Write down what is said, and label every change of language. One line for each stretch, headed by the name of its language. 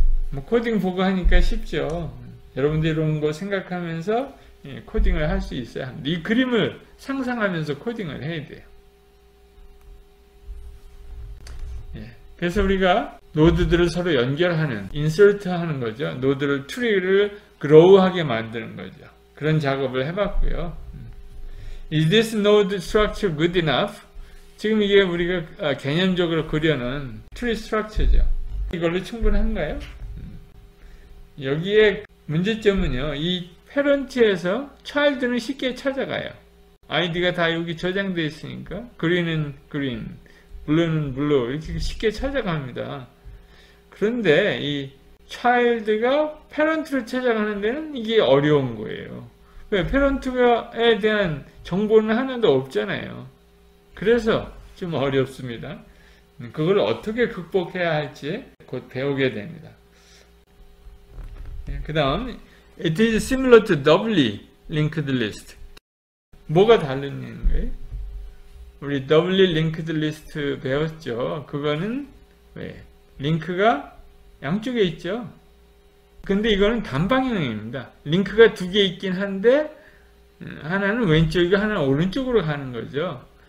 Korean: 뭐 코딩 보고 하니까 쉽죠. 여러분들이 이런 거 생각하면서 코딩을 할수 있어야 합니다. 이 그림을 상상하면서 코딩을 해야 돼요. 그래서 우리가 노드들을 서로 연결하는, 인서트 하는 거죠. 노드를, 트리를 그로우하게 만드는 거죠. 그런 작업을 해봤고요.
English: Is this node structure good enough?
Korean: 지금 이게 우리가 개념적으로 그려는 트리 스트럭처죠. 이걸로 충분한가요? 여기에 문제점은요, 이 parent에서 child는 쉽게 찾아가요. ID가 다 여기 저장되어 있으니까, green은 green, blue는 blue, 이렇게 쉽게 찾아갑니다. 그런데 이 child가 parent를 찾아가는 데는 이게 어려운 거예요. 왜? parent에 대한 정보는 하나도 없잖아요. 그래서 좀 어렵습니다. 그걸 어떻게 극복해야 할지 곧 배우게 됩니다. 그 다음,
English: it is similar to doubly linked list.
Korean: 뭐가 다른 거예요? 우리 doubly linked list 배웠죠? 그거는, 왜? 링크가 양쪽에 있죠. 근데 이거는 단방향입니다. 링크가 두 개 있긴 한데 하나는 왼쪽이고 하나는 오른쪽으로 가는 거죠.